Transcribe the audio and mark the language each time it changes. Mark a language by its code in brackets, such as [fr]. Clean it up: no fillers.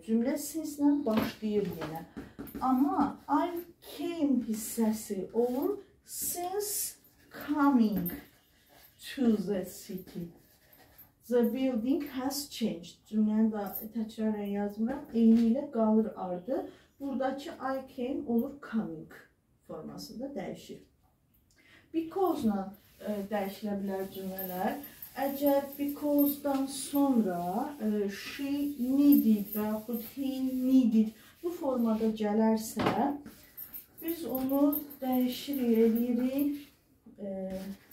[az] Cümlə sizlə başlayır yenə. Amma I came hissəsi olur [en] since coming to the city. The building has changed. [az] Cümləni da təkrar yazmıram. Eyni ilə qalır ardı. Buradakı I came olur coming formasında dəyişir. Because-la dəyişilə bilər cümlələr. Əgər because-dan sonra [en] she needed [az] və yaxud [en] he needed [az] bu formada gələrsə, biz onu dəyişirik, eləyirik.